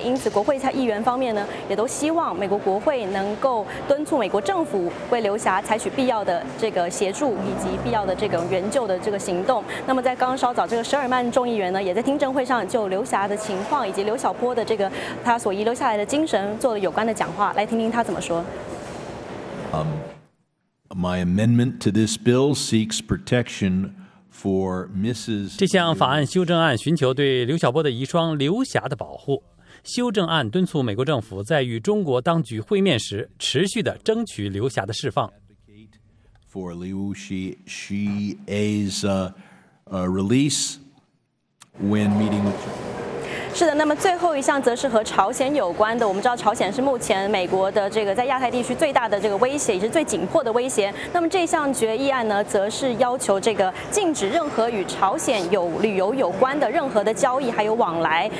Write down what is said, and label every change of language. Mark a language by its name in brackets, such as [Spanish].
[Chinese] 因此国会在议员方面呢，也都希望美国国会能够敦促美国政府为刘霞采取必要的这个协助以及必要的这个援救的这个行动。那么在刚稍早，这个舍尔曼众议员呢，也在听证会上就刘霞的情况以及刘晓波的这个他所遗留下来的精神做了有关的讲话，来听听他怎么说。 [English] My amendment to this bill seeks protection for Mrs. [Chinese] 这项法案修正案寻求对刘晓波的遗孀刘霞的保护。修正案敦促美国政府在与中国当局会面时，持续的争取刘霞的释放。 [English] For Liu Xie's release when meeting with. [Chinese] 是的，那么最后一项则是和朝鲜有关的。我们知道朝鲜是目前美国的这个在亚太地区最大的这个威胁，也是最紧迫的威胁。那么这项决议案呢，则是要求这个禁止任何与朝鲜有旅游有关的任何的交易还有往来。